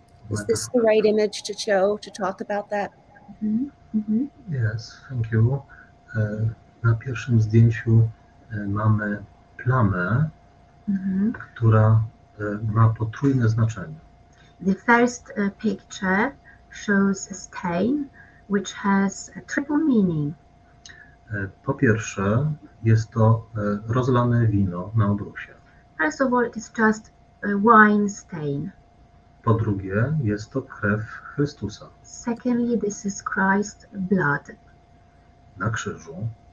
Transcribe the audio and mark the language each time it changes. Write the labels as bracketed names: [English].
[English] Is this the right image to show to talk about that? Yes, thank you. [Polish] Na pierwszym zdjęciu mamy plamę, która ma potrójne znaczenie. [English] The first picture shows a stain, which has a triple meaning. [Polish] Po pierwsze, jest to rozlane wino na obrusie. [English] First of all, it is just a wine stain. [Polish] Po drugie, jest to krew Chrystusa. [English] Secondly, this is Christ's blood. [Polish] Na krzyżu.